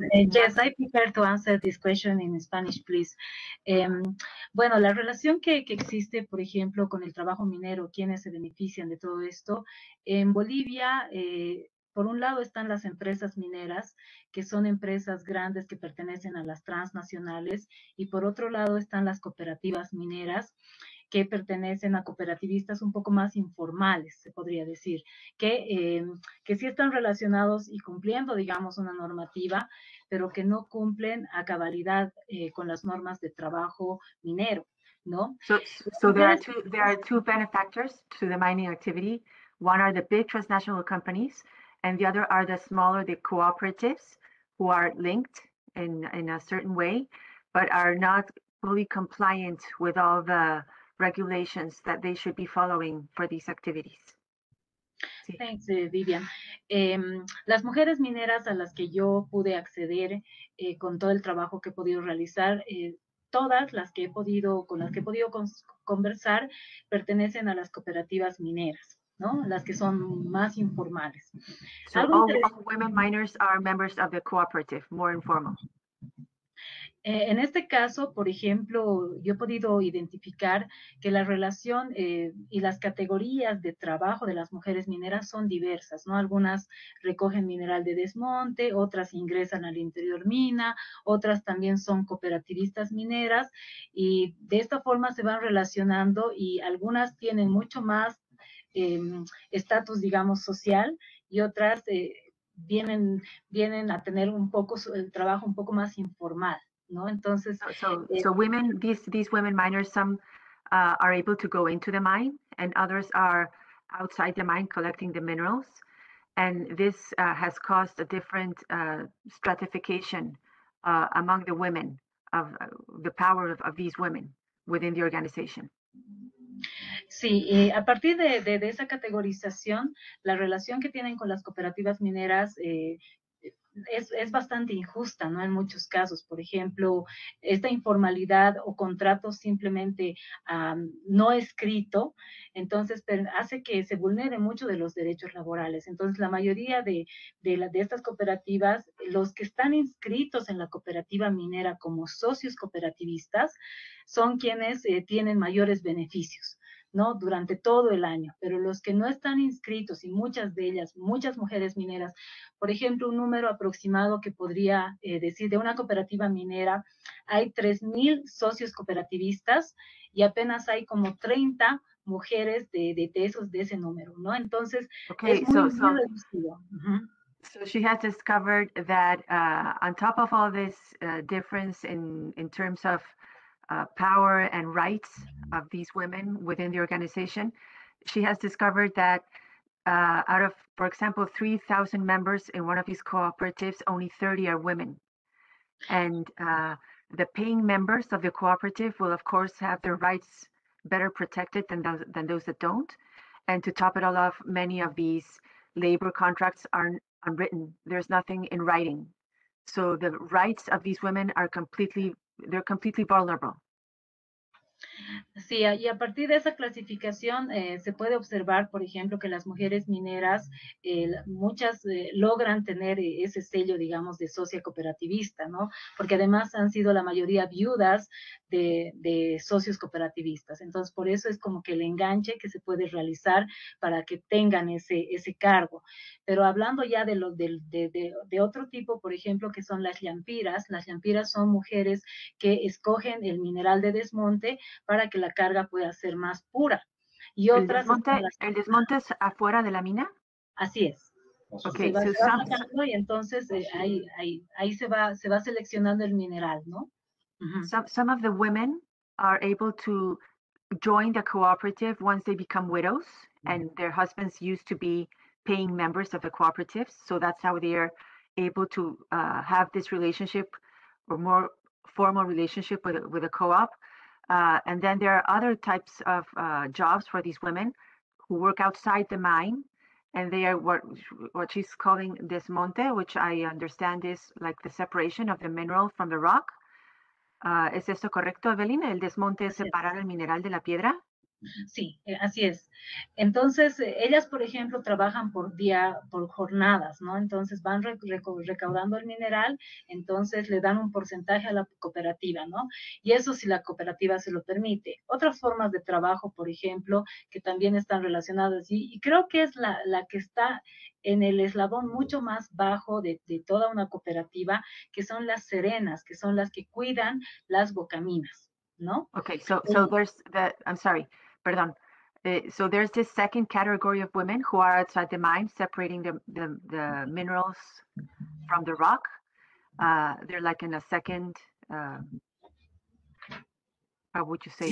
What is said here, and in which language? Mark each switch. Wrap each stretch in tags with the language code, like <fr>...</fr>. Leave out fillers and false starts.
<en>Yes, I prefer to answer this question in Spanish, please.</en> <es>Bueno, la relación que existe, por ejemplo, con el trabajo minero, quienes se benefician de todo esto, en Bolivia, por un lado están las empresas mineras, que son empresas grandes que pertenecen a las transnacionales, y por otro lado están las cooperativas mineras, que pertenecen a cooperativistas un poco más informales, se podría decir, que sí están relacionados y cumpliendo, digamos, una normativa, pero que no cumplen a cabalidad con las normas de trabajo minero, ¿no?</es> <en>So there are two benefactors to the mining activity. One are the big transnational companies, and the other are the smaller, the cooperatives, who are linked in a certain way, but are not fully compliant with all the regulations that they should be following for these activities.</en> <es>Sí.</es> <en>Thanks, Vivian.</en> <es>Las mujeres mineras a las que yo pude acceder con todo el trabajo que he podido realizar, todas las que he podido, con las que he podido conversar, pertenecen a las cooperativas mineras, ¿no? Las que son más informales.</es> <en>So all women miners are members of the cooperative, more informal.</en> <es>En este caso, por ejemplo, yo he podido identificar que la relación y las categorías de trabajo de las mujeres mineras son diversas, ¿no? Algunas recogen mineral de desmonte, otras ingresan al interior mina, otras también son cooperativistas mineras, y de esta forma se van relacionando, y algunas tienen mucho más estatus, digamos, social, y otras vienen a tener un poco el trabajo un poco más informal.</es> <en>So women, these women miners, some are able to go into the mine, and others are outside the mine collecting the minerals. And this has caused a different stratification among the women, of the power of these women within the organization.</en> <es>Sí, y a partir de esa categorización, la relación que tienen con las cooperativas mineras es bastante injusta, ¿no? En muchos casos, por ejemplo, esta informalidad o contrato simplemente no escrito, entonces hace que se vulnere mucho de los derechos laborales. Entonces, la mayoría de estas cooperativas, los que están inscritos en la cooperativa minera como socios cooperativistas, son quienes tienen mayores beneficios, ¿no? Durante todo el año, pero los que no están inscritos, y muchas de ellas, muchas mujeres mineras, por ejemplo, un número aproximado que podría decir de una cooperativa minera, hay 3,000 socios cooperativistas y apenas hay como 30 mujeres de esos, de ese número, ¿no? Entonces, okay, es muy reducido.</es> <en>So she has discovered that on top of all this difference in terms of power and rights of these women within the organization, she has discovered that out of, for example, 3,000 members in one of these cooperatives, only 30 are women. And the paying members of the cooperative will, of course, have their rights better protected than those that don't. And to top it all off, many of these labor contracts are unwritten. There's nothing in writing. So the rights of these women are completely vulnerable.</en> <es>Sí, y a partir de esa clasificación se puede observar, por ejemplo, que las mujeres mineras, muchas logran tener ese sello, digamos, de socia cooperativista, ¿no? Porque además han sido la mayoría viudas de socios cooperativistas. Entonces, por eso es como que el enganche que se puede realizar para que tengan ese cargo. Pero hablando ya de otro tipo, por ejemplo, que son las llampiras son mujeres que escogen el mineral de desmonte para que la carga pueda ser más pura. Y otras, ¿el desmonte es afuera de la mina? Así es. Okay, y entonces ahí se va seleccionando el mineral, ¿no?</es> <en>Some of the women are able to join the cooperative once they become widows, mm-hmm. and their husbands used to be paying members of the cooperatives, so that's how they are able to have this relationship or more formal relationship with a co-op. And then there are other types of jobs for these women who work outside the mine, and they are what she's calling desmonte, which I understand is like the separation of the mineral from the rock.</en> <es>¿Es esto correcto, Evelyn? ¿El desmonte es separar el mineral de la piedra? Sí, así es. Entonces, ellas, por ejemplo, trabajan por día, por jornadas, ¿no? Entonces, van recaudando el mineral, entonces le dan un porcentaje a la cooperativa, ¿no? Y eso si la cooperativa se lo permite. Otras formas de trabajo, por ejemplo, que también están relacionadas, y creo que es la que está en el eslabón mucho más bajo de toda una cooperativa, que son las serenas, que son las que cuidan las bocaminas. No?</es> <en>Okay, so there's so there's this second category of women who are outside the mine separating the minerals from the rock. They're like in a second, how would you say?</en>